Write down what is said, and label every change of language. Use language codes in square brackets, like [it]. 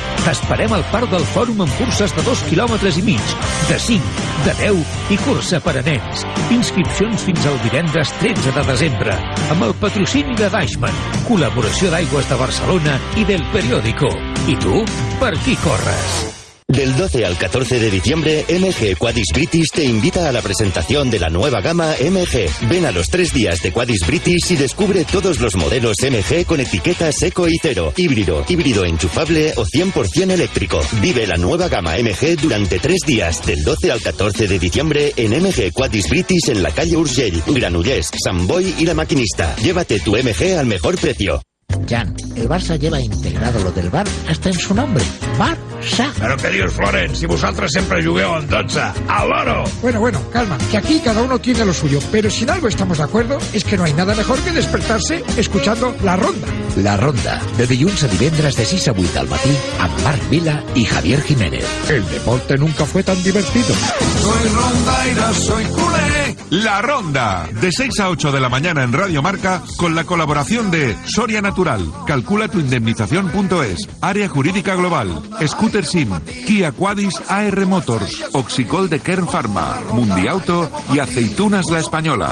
[ca] T'esperem al parc del fòrum amb curses de 2,5 km, de 5, de 10 i cursa per a nens. Inscripcions fins al divendres 13 de desembre amb el patrocini de Deichmann, col·laboració d'Aigües de Barcelona i del Periódico. I tu, per qui corres? [es] Del 12 al 14 de diciembre, MG Quadis British te invita a la presentación de la nueva gama MG. Ven a los tres días de Quadis British y descubre todos los modelos MG con etiquetas eco y cero, híbrido, híbrido enchufable o 100% eléctrico. Vive la nueva gama MG durante tres días, del 12 al 14 de diciembre, en MG Quadis British en la calle Urgell, Granollers, Sant Boi y La Maquinista. Llévate tu MG al mejor precio. Jan, el Barça lleva integrado lo del bar hasta en su nombre. Barça. Pero qué dios, Florent, si vosotros siempre [ca] jugueu [es] en 12, al oro. Bueno, bueno, calma, que aquí cada uno tiene lo suyo. Pero si en algo estamos de acuerdo, es que no hay nada mejor que despertarse escuchando La Ronda. [ca] La Ronda, de dilluns a divendres de 6 a 8 al matí, amb Marc Vila i Javier Jiménez. [es] El deporte nunca fue tan divertido. Soy Ronda y no soy culé. La Ronda, de 6 a 8 de la mañana en Radio Marca, con la colaboración de Soria Natural, calculatuindemnización.es, Área Jurídica Global, Scooter Sim, Kia Quadis AR Motors, Oxicol de Kern Pharma, Mundiauto y Aceitunas La Española.